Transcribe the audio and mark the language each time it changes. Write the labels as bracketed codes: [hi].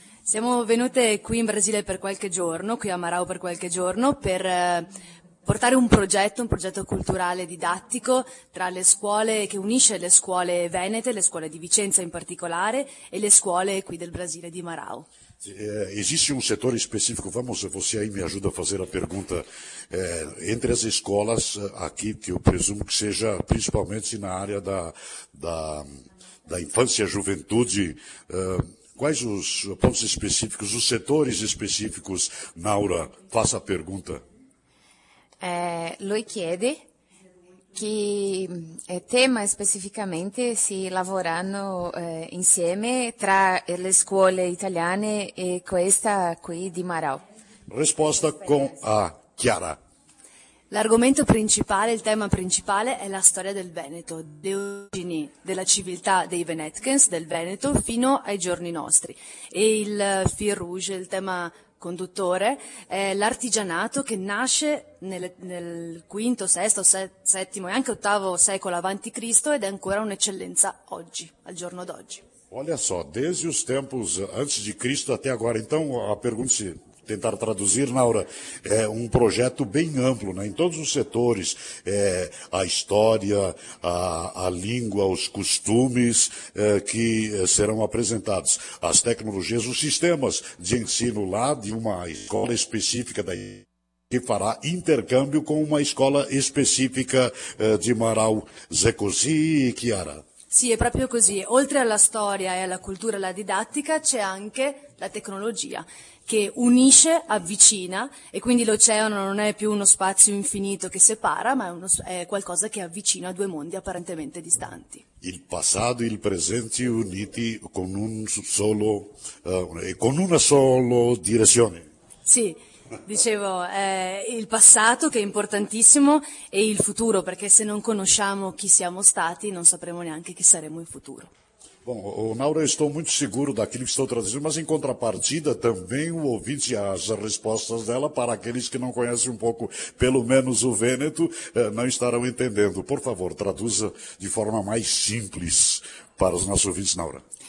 [it] Siamo venute qui in Brasile per qualche giorno, qui a Marau per qualche giorno, per portare un progetto culturale didattico tra le scuole, che unisce le scuole venete, le scuole di Vicenza in particolare, e le scuole qui del Brasile di Marau. [pt] Existe um setor específico, vamos, você aí me ajuda a fazer a pergunta, entre as escolas aqui, que eu presumo que seja principalmente na área da infância e juventude, quais os pontos específicos, os setores específicos, Naura, faça a pergunta. [it] Lui chiede [pt] que tema especificamente [it] si lavorano insieme tra le scuole italiane e questa qui di Marau. Risposta con a Chiara. L'argomento principale, il tema principale è la storia del Veneto, le origini della civiltà dei Venetians, del Veneto, fino ai giorni nostri. E il fil rouge, il tema conduttore, è l'artigianato che nasce nel quinto, sesto, settimo e anche ottavo secolo avanti Cristo ed è ancora un'eccellenza oggi, al giorno d'oggi. [pt] Olha só, desde os tempos antes de Cristo até agora, então a pergunta, se tentar traduzir, Naura, é um projeto bem amplo, né? Em todos os setores, a história, a língua, os costumes que serão apresentados, as tecnologias, os sistemas de ensino lá de uma escola específica daí, que fará intercâmbio com uma escola específica de Marau. [it] Zecosi e Chiara. Sì, è proprio così. Oltre alla storia e alla cultura e alla didattica c'è anche la tecnologia che unisce, avvicina e quindi l'oceano non è più uno spazio infinito che separa ma è qualcosa che avvicina due mondi apparentemente distanti. Il passato e il presente uniti con un solo, con una sola direzione. Sì. Dicevo, il passato che è importantissimo e il futuro, perché se non conosciamo chi siamo stati non sapremo neanche chi saremo in futuro. [pt] Bom, Naura, estou muito seguro daquilo que estou traduzindo, mas em contrapartida também o ouvinte, as respostas dela, para aqueles que não conhecem um pouco, pelo menos o Vêneto, não estarão entendendo. Por favor, traduza de forma mais simples para os nossos ouvintes, Naura.